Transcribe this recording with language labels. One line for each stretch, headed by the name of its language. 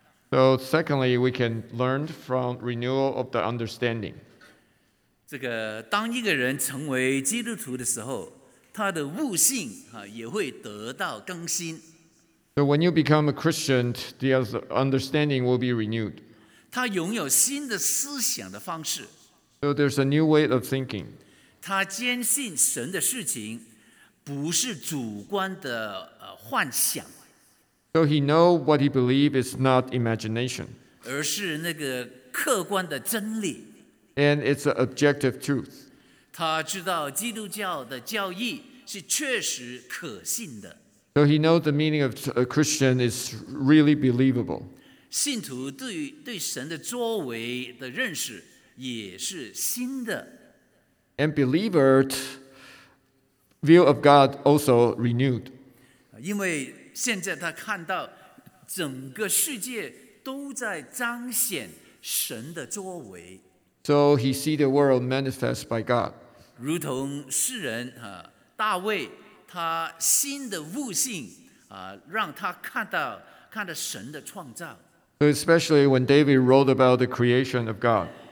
English: So secondly, we can learn from renewal of the understanding.
Chinese: 这个当一个人成为基督徒的时候，他的悟性也会得到更新。
English: So when you become a Christian, the understanding will be renewed.
Chinese: 他拥有新的思想的方式。
English: So there's a new way of thinking.
Chinese: 他坚信神的事情不是主观的幻想。
English: So he knows what he believes is not imagination.
Chinese: 而是那个客观的真理。
English: And it's an objective truth.
Chinese: 他知道基督教的教义是确实可信的。
English: So he knows the meaning of a Christian is really believable.
Chinese: 信徒对神的作为的认识也是新的。
English: And believers' view of God also renewed.
Chinese: 因为现在他看到整个世界都在彰显神的作为。
English: So he sees the world manifest by God.
Chinese: 如同诗人大卫他新的悟性让他看到神的创造。
English: So especially when David wrote about the creation of God.